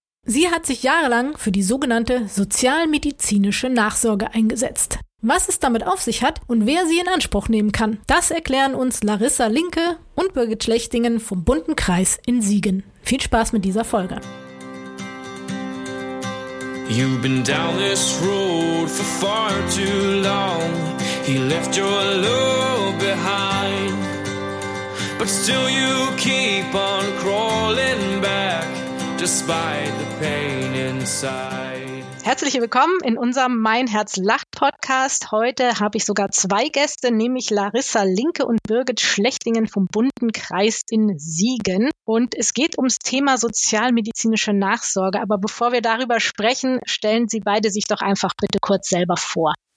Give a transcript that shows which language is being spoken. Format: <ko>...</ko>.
<de>Sie hat sich jahrelang für die sogenannte sozialmedizinische Nachsorge eingesetzt. Was es damit auf sich hat und wer sie in Anspruch nehmen kann, das erklären uns Larissa Linke und Birgit Schlechtingen vom Bunten Kreis in Siegen. Viel Spaß mit dieser Folge.</de> <en>You've been down this road for far too long. He left your love behind, but still you keep on crawling back, despite the pain inside.</en> <de>Herzlich willkommen in unserem Mein Herz lacht Podcast. Heute habe ich sogar zwei Gäste, nämlich Larissa Linke und Birgit Schlechtingen vom Bunten Kreis in Siegen. Und es geht ums Thema sozialmedizinische Nachsorge. Aber bevor wir darüber sprechen, stellen Sie beide sich doch einfach bitte kurz selber vor.</de>